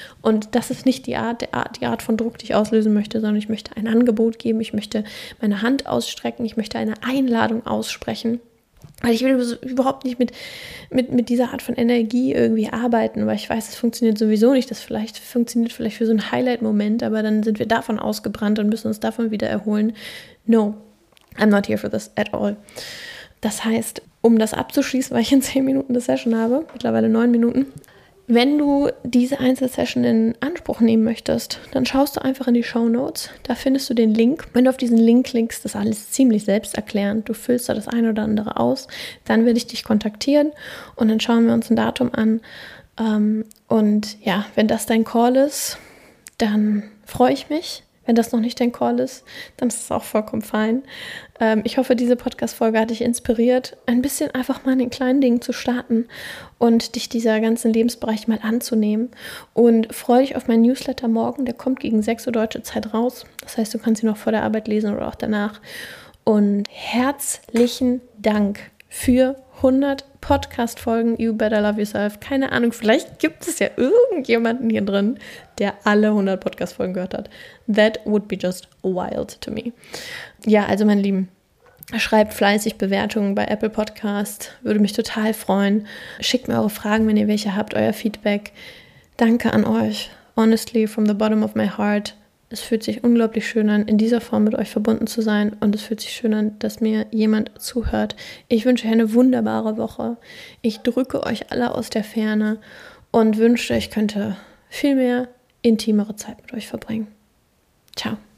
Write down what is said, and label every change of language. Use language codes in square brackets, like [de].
[de] Und das ist nicht die Art von Druck, die ich auslösen möchte, sondern ich möchte ein Angebot geben, ich möchte meine Hand ausstrecken, ich möchte eine Einladung aussprechen. Weil ich will überhaupt nicht mit dieser Art von Energie irgendwie arbeiten, weil ich weiß, es funktioniert sowieso nicht. Das vielleicht funktioniert vielleicht für so einen Highlight-Moment, aber dann sind wir davon ausgebrannt und müssen uns davon wieder erholen. [en] No, I'm not here for this at all. [de] Das heißt, um das abzuschließen, weil ich in 10 Minuten eine Session habe, mittlerweile 9 Minuten, wenn du diese Einzelsession in Anspruch nehmen möchtest, dann schaust du einfach in die Shownotes. Da findest du den Link. Wenn du auf diesen Link klickst, ist alles ziemlich selbsterklärend. Du füllst da das eine oder andere aus. Dann werde ich dich kontaktieren und dann schauen wir uns ein Datum an. Und ja, wenn das dein Call ist, dann freue ich mich. Wenn das noch nicht dein Call ist, dann ist es auch vollkommen fein. Ich hoffe, diese Podcast-Folge hat dich inspiriert, ein bisschen einfach mal in den kleinen Dingen zu starten und dich dieser ganzen Lebensbereich mal anzunehmen. Und freue dich auf meinen Newsletter morgen. Der kommt gegen 6 Uhr deutsche Zeit raus. Das heißt, du kannst ihn noch vor der Arbeit lesen oder auch danach. Und herzlichen Dank für 100 Podcast-Folgen You Better Love Yourself. Keine Ahnung, vielleicht gibt es ja irgendjemanden hier drin, der alle 100 Podcast-Folgen gehört hat. [en] That would be just wild to me. [de] Ja, also meine Lieben, schreibt fleißig Bewertungen bei Apple Podcast. Würde mich total freuen. Schickt mir eure Fragen, wenn ihr welche habt, euer Feedback. Danke an euch. [en] Honestly, from the bottom of my heart. [de] Es fühlt sich unglaublich schön an, in dieser Form mit euch verbunden zu sein. Und es fühlt sich schön an, dass mir jemand zuhört. Ich wünsche euch eine wunderbare Woche. Ich drücke euch alle aus der Ferne und wünsche, ich könnte viel mehr intimere Zeit mit euch verbringen. Ciao.